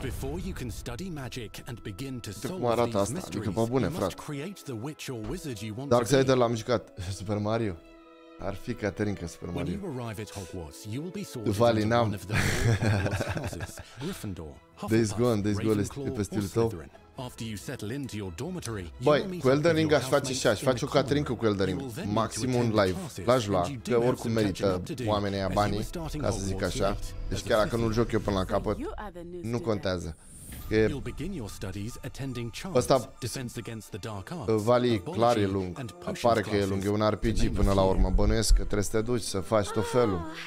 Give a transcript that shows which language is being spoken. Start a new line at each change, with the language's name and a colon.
English: But before you can study magic and begin to solve these mysteries,
Romanian: adică, bune,
English: you must create the witch or wizard you want Dark to be.
Romanian: Dar l-am jucat. Super Mario. Ar fi Caterinca Super Mario.
English: When you arrive at Hogwarts, you will be sorted into one of the four houses: Gryffindor, Hufflepuff, Ravenclaw, Slytherin. After you settle into your dormitory,
Romanian: cu Elden Ring aș face și aș face o Caterinca cu Elden Ring, maxim un live. L-aș lua, că oricum merită oamenii aia banii, ca să zic așa. Deci chiar dacă nu-l joc eu până la capăt, nu contează.
English: You'll begin your studies attending Charles, Defense Against the Dark Arts.
Romanian: Vali, clar e lung. Pare că e lung, e un RPG până la urmă. Bănuiesc că trebuie să te duci să faci tot felul.